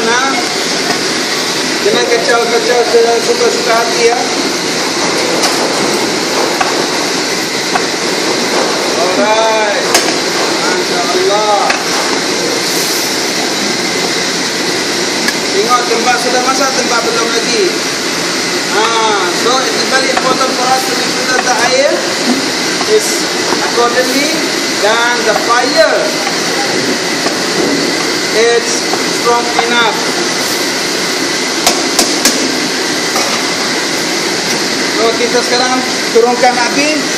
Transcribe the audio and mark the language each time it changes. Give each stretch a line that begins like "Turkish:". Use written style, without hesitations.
Malay: Ha? Jangan kacau-kacau suka-suka hati. Ya? Alright. Allah. Tengok tempat sudah masak, tempat belum lagi.
English: So it's very important for us to make sure that the air is accordingly dan the fire it's strong enough.
Malay: So kita sekarang turunkan api.